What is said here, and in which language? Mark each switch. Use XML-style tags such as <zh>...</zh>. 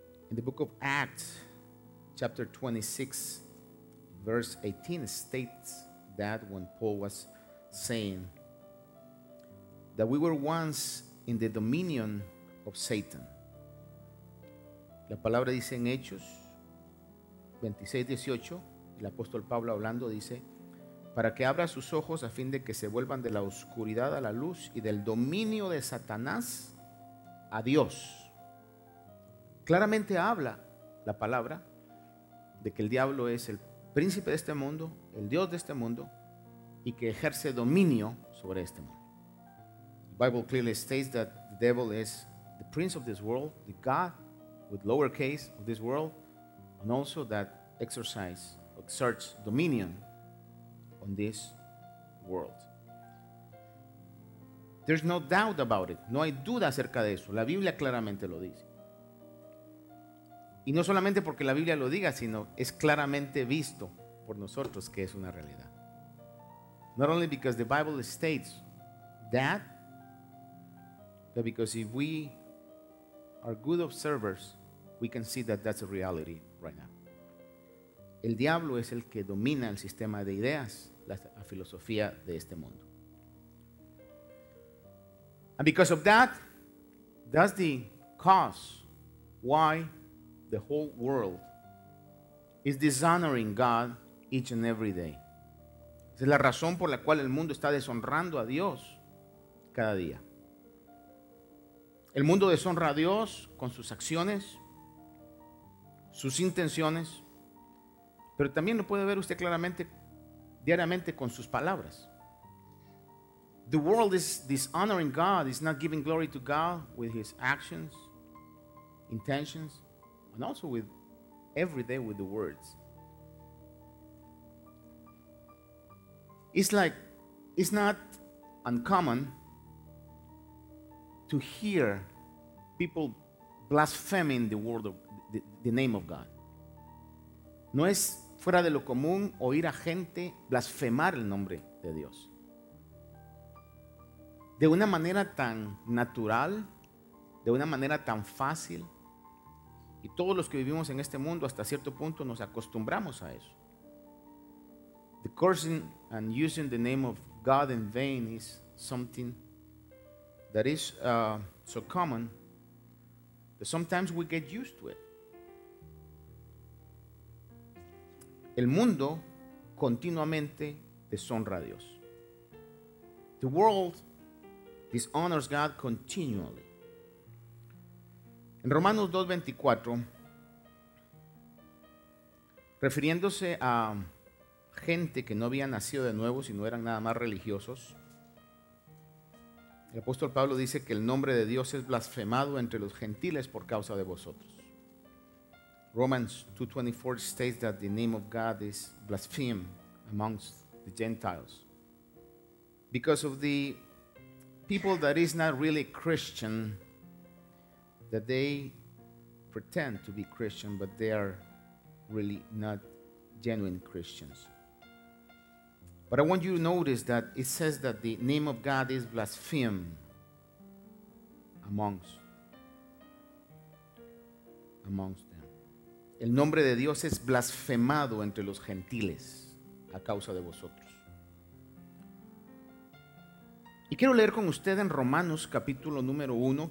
<en>In the book of Acts, chapter 26, verse 18, states that when Paul was saying that we were once in the dominion of Satan.</en> <es>La palabra dice en Hechos 26, 18, el apóstol Pablo hablando dice, para que abra sus ojos a fin de que se vuelvan de la oscuridad a la luz y del dominio de Satanás a Dios. Claramente habla la palabra de que el diablo es el príncipe de este mundo, el Dios de este mundo, y que ejerce dominio sobre este mundo.</es> <en>The Bible clearly states that the devil is the prince of this world, the God with lowercase of this world, and also that exerts dominion on this world. There's no doubt about it.</en> <es>No hay duda acerca de eso. La Biblia claramente lo dice. Y no solamente porque la Biblia lo diga, sino es claramente visto por nosotros que es una realidad.</es> <en>Not only because the Bible states that, but because if we are good observers, we can see that that's a reality right now.</en> <es>El diablo es el que domina el sistema de ideas, la filosofía de este mundo.</es> <en>And because of that, that's the cause why the whole world is dishonoring God each and every day.</en> <es>Esa es la razón por la cual el mundo está deshonrando a Dios cada día. El mundo deshonra a Dios con sus acciones, sus intenciones. Pero también lo puede ver usted claramente, diariamente, con sus palabras.</es> <en>The world is dishonoring God, is not giving glory to God with his actions, intentions, and also with every day with the words. It's not uncommon to hear people blaspheming the word of the name of God.</en> <es>No es fuera de lo común oír a gente blasfemar el nombre de Dios. De una manera tan natural, de una manera tan fácil, y todos los que vivimos en este mundo hasta cierto punto nos acostumbramos a eso.</es> <en>The cursing and using the name of God in vain is something that is so common that sometimes we get used to it.</en> <es>El mundo continuamente deshonra a Dios.</es> <en>The world dishonors God continually.</en> <es>En Romanos 2:24, refiriéndose a gente que no había nacido de nuevo, sino eran nada más religiosos, el apóstol Pablo dice que el nombre de Dios es blasfemado entre los gentiles por causa de vosotros.</es> <en>Romans 2:24 states that the name of God is blasphemed amongst the Gentiles because of the people that is not really Christian, that they pretend to be Christian, but they are really not genuine Christians. But I want you to notice that it says that the name of God is blasphemed amongst them.</en> <es>El nombre de Dios es blasfemado entre los gentiles a causa de vosotros. Y quiero leer con usted en Romanos capítulo número 1.</es>